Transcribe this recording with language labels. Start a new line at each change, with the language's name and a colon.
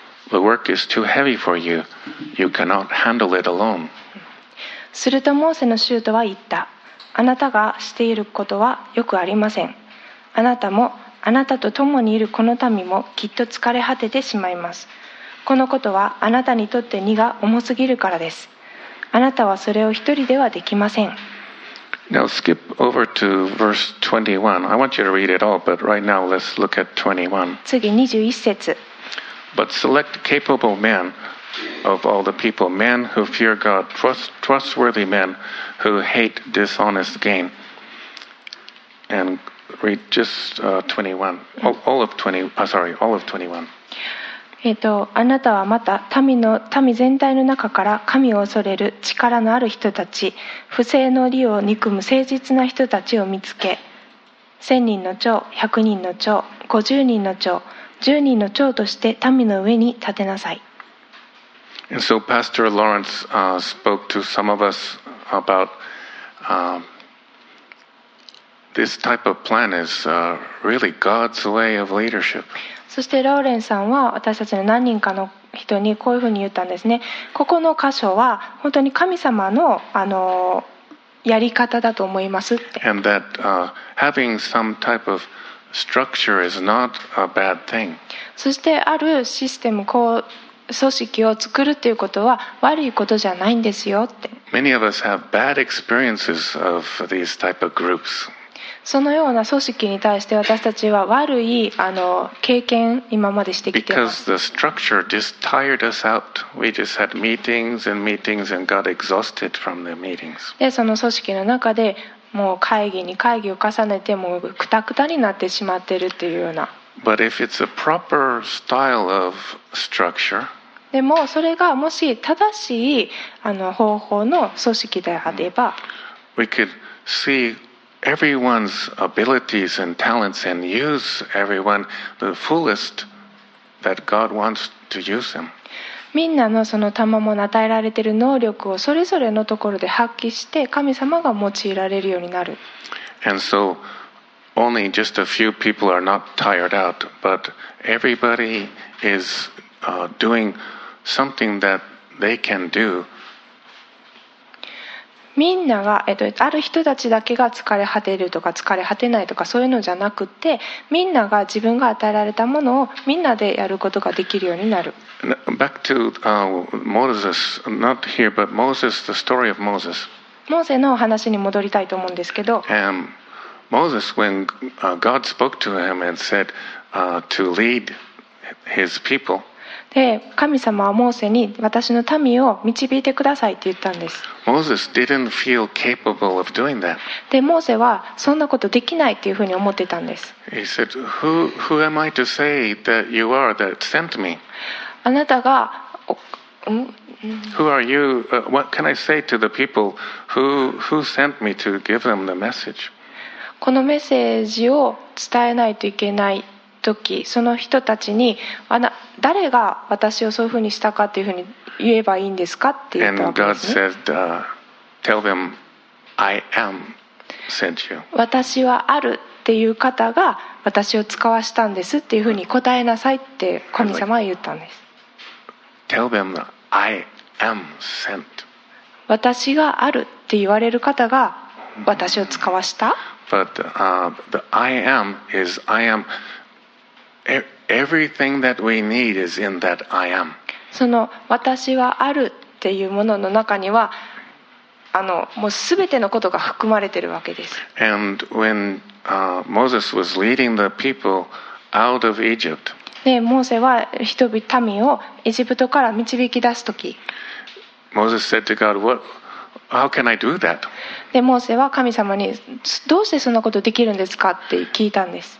English: The work is too heavy for you. You cannot handle it alone.
Japanese: するとモーセの舅は言った。あなたがしていることはよくありません。あなたもあなたと共にいるこの民もきっと疲れ果ててしまいます。このことはあなたにとって荷が重すぎるからです。あなたはそれを一人ではできません。
English: Now skip over to verse 21. I want you to read it all, but right now let's look at 21.
Japanese: 次21節。
English: But select capable men of all the people, men who fear God, trustworthy men who hate dishonest gain. And read just 21. All of 21.
Japanese: あなたはまた民全体の中から神を恐れる力のある人たち、不正の利を憎む誠実な人たちを見つけ、千人の長、百人の長、五十人の長、10人の長として民の上に立てなさい。
English: And so Pastor Lawrence spoke to some of us about this type of plan is really God's way of leadership.
Japanese: そしてローレンさんは私たちの何人かの人にこういうふうに言ったんですね。ここの箇所は本当に神様のやり方だと思いますって。
English: And that having some type ofStructure is not a bad thing.
Japanese: そしてあるシステム、こう組織を作るということは悪いことじゃないんですよって。
English: Many of us have bad experiences of these type of groups.
Japanese: そのような組織に対して私たちは悪い経験今までしてきてます。
English: Because the structure just tired us out. We just had meetings and meetings and got exhausted from the meetings.
Japanese: でその組織の中でもう会議に会議を重ねてもうクタクタになってしまってるっていうような。
English: But if it's a proper style of structure,
Japanese: でもそれがもし正しい方法の組織であれば、
English: we could see everyone's abilities and talents and use everyone the fullest that God wants to use them.
Japanese: みんなのその賜物与えられている能力をそれぞれのところで発揮して神様が用いられるようになる。
English: And so only just a few people are not tired out, but everybody is doing something that they can do.
Japanese: みんなが、ある人たちだけが疲れ果てるとか疲れ果てないとかそういうのじゃなくて、みんなが自分が与えられたものをみんなでやることができるようになる。
English: Back to Moses, not here, but Moses, the story of Moses.
Japanese: モーセの話に戻りたいと思うんですけど。
English: Moses, when God spoke to him and said to lead his people.
Japanese: で、神様はモーセに私の民を導いてくださいって言ったんです。
English: Moses didn't feel capable of doing that.
Japanese: で、モーセはそんなことできないっていうふうに思ってたんです。
English: He said, who am I to say that you are that sent me?
Japanese: あなたが、
English: Who are you? What can I say to the people who sent me to give them the message?
Japanese: このメッセージを伝えないといけない。その人たちに誰が私をそういうふうにしたかっていうふうに言えばいいんですかって言ったわけですね。
English: And God said, tell them, I am sent you.
Japanese: 私はあるっていう方が私を使わしたんですっていうふうに答えなさいって神様は言ったんです。
English: Tell them that I am sent.
Japanese: 私があるって言われる方が私を使わした。
English: But the I am is I am. Everything that we need is in that I am.
Japanese: その私はあるっていうものの中には、もうすべてのことが含まれているわけです。
English: And when Moses was leading the people out of Egypt,
Japanese: でモーセは人々民をエジプトから導き出すとき、
English: Moses said to God, "What? How can I do that?"
Japanese: でモーセは神様にどうしてそんなことできるんですかって聞いたんです。